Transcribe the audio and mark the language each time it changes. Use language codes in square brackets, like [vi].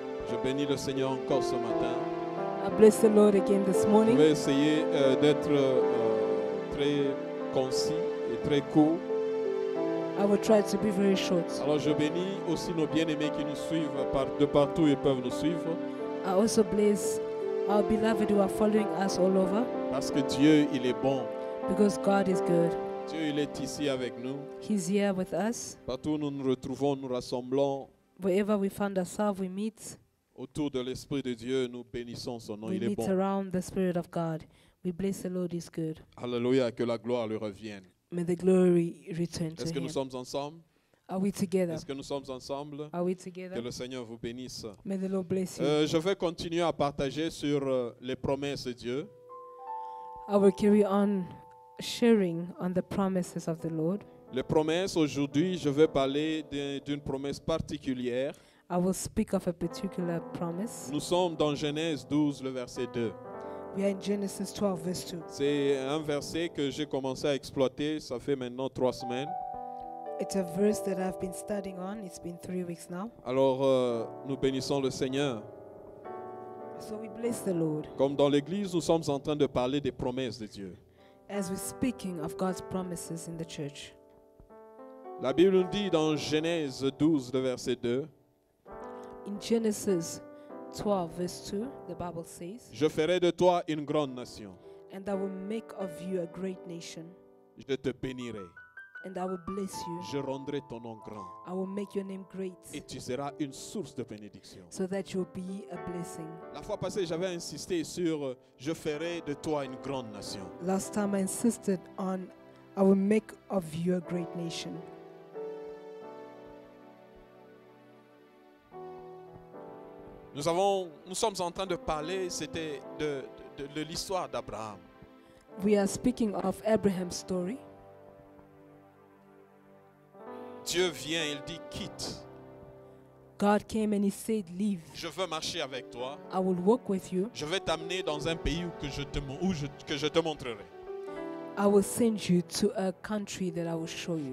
[fr] Je bénis le Seigneur encore ce matin. [en] I bless the Lord again this morning. [fr] Je vais essayer d'être très concis et très court. [en] I will try to be very short. [fr] Alors je bénis aussi nos bien-aimés qui nous suivent de partout et peuvent nous suivre. [en] I also bless our beloved who are following us all over. [fr] Parce que Dieu, il est bon. [en] Because God is good. [fr] Dieu, il est ici avec nous. [en] He's here with us. [fr] Partout où nous nous retrouvons, nous rassemblons. [en] Wherever we find ourselves, we meet. [fr] Autour de l'Esprit de Dieu, nous bénissons son nom. [en] We [fr] il est bon. [en] We meet around the Spirit of God. We bless the Lord. He's good. [fr] Alléluia, que la gloire lui revienne. [en] May the glory return to him. [fr] Est-ce que nous sommes ensemble? [en] Are we together? [fr] Est-ce que nous sommes ensemble? [en] Are we together? [fr] Que le Seigneur vous bénisse. [en] May the Lord bless you. [fr] Je vais continuer à partager sur les promesses de Dieu. [en] I will carry on sharing on the promises of the Lord. [fr] Les promesses aujourd'hui, je vais parler d'une promesse particulière. [en] I will speak of a particular promise. [fr] Nous sommes dans Genèse 12, le verset 2. [en] We are in Genesis 12, verse 2. [fr] C'est un verset que j'ai commencé à exploiter, ça fait maintenant 3 semaines. [en] It's a verse that I've been studying on, it's been 3 weeks now. [fr] Alors, nous bénissons le Seigneur. [en] So we bless the Lord. [fr] Comme dans l'église, nous sommes en train de parler des promesses de Dieu. [en] As we're speaking of God's promises in the church. [fr] La Bible nous dit dans Genèse 12, le verset 2. [en] In Genesis 12, verse 2, the Bible says, [fr] je ferai de toi une grande nation. [en] And I will make of you a great nation. [fr] Je te bénirai. [en] And I will bless you. [fr] Je rendrai ton nom grand. [en] I will make your name great. [fr] Et tu seras une source de bénédiction. [en] So that you'll be a blessing. [fr] La fois passée, j'avais insisté sur je ferai de toi une grande nation. [en] Last time I insisted on I will make of you a great nation. [fr] Nous sommes en train de parler, c'était de l'histoire d'Abraham. [en] We are speaking of Abraham's story. [fr] Dieu vient, il dit quitte. [en] God came and he said leave. [fr] Je veux marcher avec toi. [en] I will walk with you. [fr] Je vais t'amener dans un pays que je te montrerai. [en] I will send you to a country that I will show you.